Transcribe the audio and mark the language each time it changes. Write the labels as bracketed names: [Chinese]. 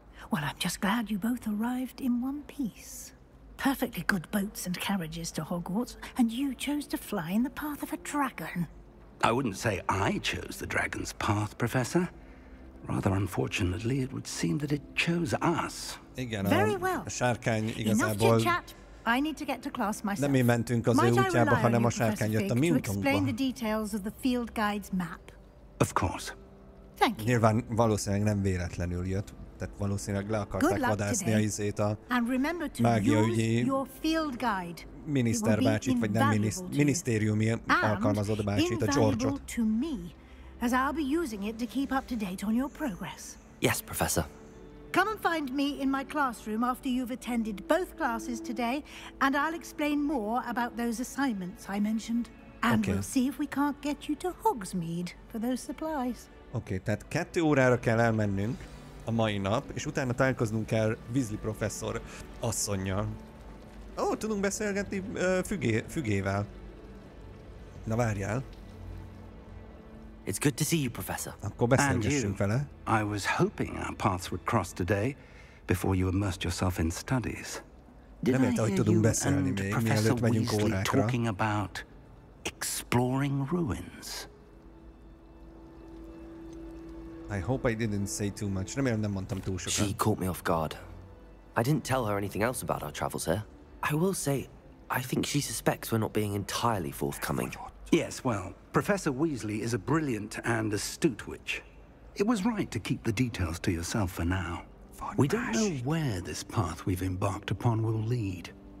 [English] Well, I'm just glad you both arrived in one piece. perfectly good boats and carriages to Hogwarts, and you chose to fly in the path of a dragon. I wouldn't say I chose the dragon's path, Professor. Rather unfortunately, it would seem that it chose us. [Hungarian] Igen, [English] very well. [Hungarian] A sárkány igazából... [English] Enough chit-chat. I need to get to class myself. [Hungarian] Nem mi mentünk az ő útjába, hanem a sárkány jött a mi útunkba. [English] Might I rely on you, Professor Fig, to explain the details of the field guide's map? Of course. Thank you. [Hungarian] Nyilván valószínűleg nem véletlenül jött. Tehát valószínűleg le akarták vadászni a izét a mágiaügyi miniszterbácsit, vagy nem minisztériumi alkalmazott bácsit, a George-ot. [English] As I'll be using it to keep up to date on your progress. Yes, Professor. Come and find me in my classroom after you've attended both classes today, and I'll explain more about those assignments I mentioned. And okay. We'll see if we can't get you to Hogsmeade for those supplies. [Hungarian] Okay, tehát 2 órára kell elmennünk a mai nap, és utána találkoznunk kell Weasley professzor asszonnyal. Ó, tudunk beszélgetni fügével. Na várjál. [English] It's good to see you, Professor. [Hungarian] Akkor beszélgessünk vele. [English] I was hoping our paths would cross today, before you immersed yourself in studies. [Hungarian] Remélte, hogy tudunk beszélni még, mielőtt megyünk órákra. [English] Professor Weasley talking about exploring ruins. I hope I didn't say too much. [Hungarian] Remélem, nem mondtam túl sokat. [English] She caught me off guard. I didn't tell her anything else about our travels here. I will say, I think she suspects we're not being entirely forthcoming. Yes, well, Professor Weasley is a brilliant and astute witch. It was right to keep the details to yourself for now. We don't know where this path we've embarked upon will lead.